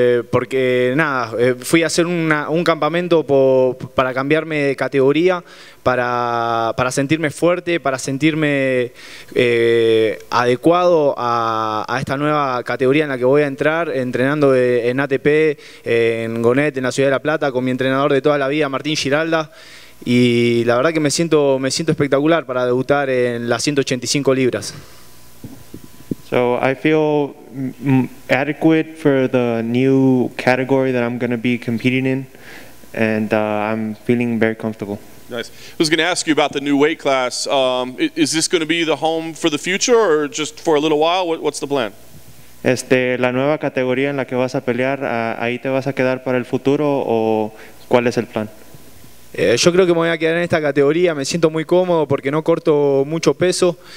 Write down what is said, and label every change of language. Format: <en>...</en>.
<es>Porque nada, fui a hacer un campamento para cambiarme de categoría, para sentirme fuerte, para sentirme adecuado a esta nueva categoría en la que voy a entrar, entrenando en ATP, en Gonet, en la Ciudad de La Plata, con mi entrenador de toda la vida, Martín Giralda. Y la verdad que me siento espectacular para debutar en las 185 libras.</es> <en>So I feel adequate for the new category that I'm going to be competing in, and I'm feeling very comfortable. Nice. I was going to ask you about the new weight class. Is this going to be the home for the future, or just for a little while? What's the plan?</en> <es>La nueva categoría en la que vas a pelear, ¿ahí te vas a quedar para el futuro, o cuál es el plan? Yo creo que me voy a quedar en esta categoría. Me siento muy cómodo porque no corto mucho peso.</es>